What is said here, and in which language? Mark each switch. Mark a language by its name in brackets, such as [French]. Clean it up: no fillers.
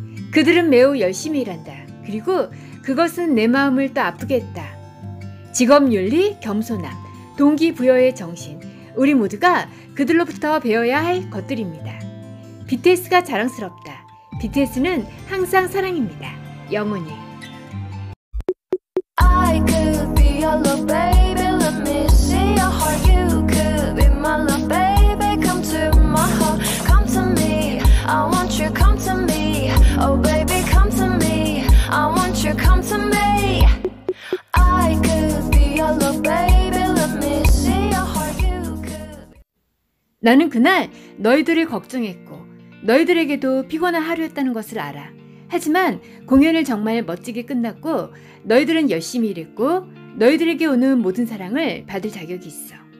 [Korean] 그들은 매우 열심히 일한다. 그리고 그것은 내 마음을 또 아프게 했다. 직업 윤리, 겸손함, 동기부여의 정신, 우리 모두가 그들로부터 배워야 할 것들입니다. BTS가 자랑스럽다. BTS는 항상 사랑입니다. 영원히. [English] I could be your love, baby. Let me see your heart. You could be my love, baby. Come to my heart. Come to me. I want you. Come to me. Oh, baby. Come to me. I want you. Come to me. I could be your love, baby. Let me see your heart. You could. [Korean] 나는 그날 너희들을 걱정했고 너희들에게도 피곤한 하루였다는 것을 알아. 하지만 공연을 정말 멋지게 끝났고 너희들은 열심히 일했고 너희들에게 오는 모든 사랑을 받을 자격이 있어.